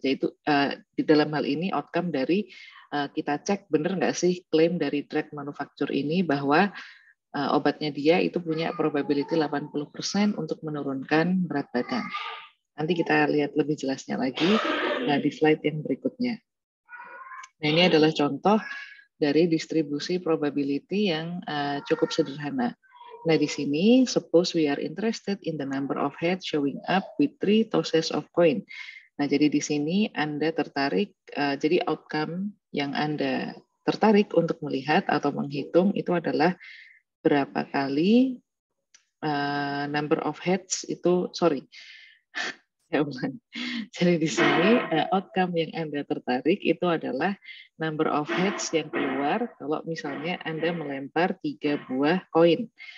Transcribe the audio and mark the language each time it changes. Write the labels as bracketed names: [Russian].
[Indonesian] Yaitu di dalam hal ini outcome dari kita cek benar nggak sih klaim dari drug manufacturer ini bahwa obatnya dia itu punya probability 80% untuk menurunkan berat badan. Nanti kita lihat lebih jelasnya lagi di slide yang berikutnya. Nah, ini adalah contoh dari distribusi probability yang cukup sederhana. Nah, di sini, [English] suppose we are interested in the number of heads showing up with 3 tosses of coin. [Indonesian] Nah, jadi di sini Anda tertarik, jadi outcome yang Anda tertarik untuk melihat atau menghitung itu adalah berapa kali number of heads itu, sorry. Jadi di sini outcome yang Anda tertarik itu adalah number of heads yang keluar kalau misalnya Anda melempar 3 buah koin.